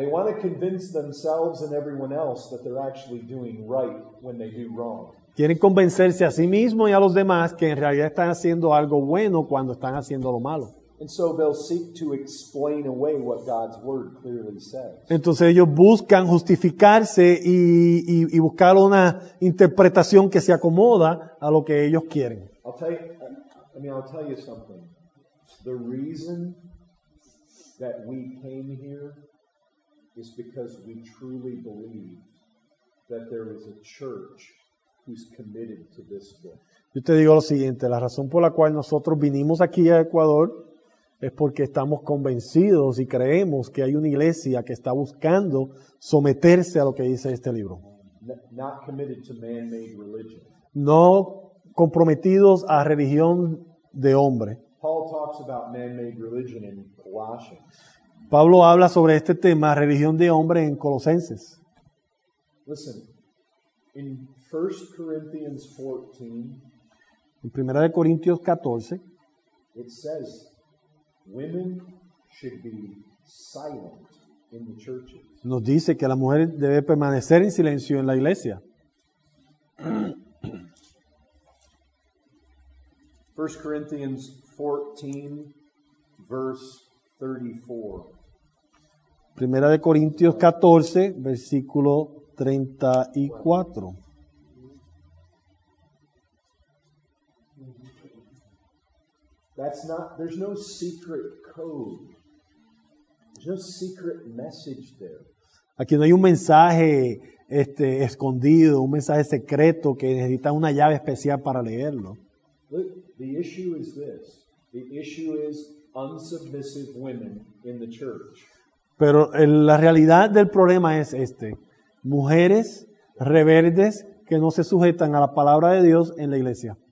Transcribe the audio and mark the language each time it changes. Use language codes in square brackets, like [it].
[en] They want to convince themselves and everyone else that they're actually doing right when they do wrong. [es] Quieren convencerse a sí mismo y a los demás que en realidad están haciendo algo bueno cuando están haciendo lo malo. [en] And so they'll seek to explain away what God's word clearly says. [es] Entonces ellos buscan justificarse y buscar una interpretación que se acomoda a lo que ellos quieren. [en] I'll tell you something. The reason that we came here is because we truly believe that there is a church who's committed to this book. [es] Yo te digo lo siguiente, la razón por la cual nosotros vinimos aquí a Ecuador es porque estamos convencidos y creemos que hay una iglesia que está buscando someterse a lo que dice este libro. [en] Not committed to man-made religion. [es] No comprometidos a religión de hombre. [en] Paul talks about man-made religion in Colossians. [es] Pablo habla sobre este tema, religión de hombre, en Colosenses. [en] Listen, in 1 Corinthians 14, [es] en 1 Corintios 14, [en] it says, women should be silent in the churches. [es] Nos dice que la mujer debe permanecer en silencio en la iglesia. [en] 1 Corinthians 14, verse 34. [es] Primera de Corintios 14, versículo 34. [en] That's not, there's no secret code. There's no secret message there. [es] Aquí no hay un mensaje escondido, un mensaje secreto que necesita una llave especial para leerlo. [en] Look, the issue is this. The issue is unsubmissive women in the church. [es] Pero la realidad del problema es este. Mujeres rebeldes que no se sujetan a la palabra de Dios en la iglesia.